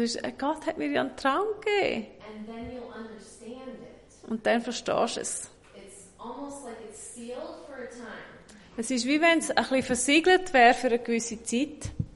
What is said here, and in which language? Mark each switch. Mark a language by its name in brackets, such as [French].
[German] Also Gott hat mir ja einen Traum gegeben. [English] And then you'll understand it. [German] Und dann verstehst du es. [English] It's almost like it's sealed for a time. [German] Es ist wie wenn es ein bisschen versiegelt wäre für eine gewisse Zeit.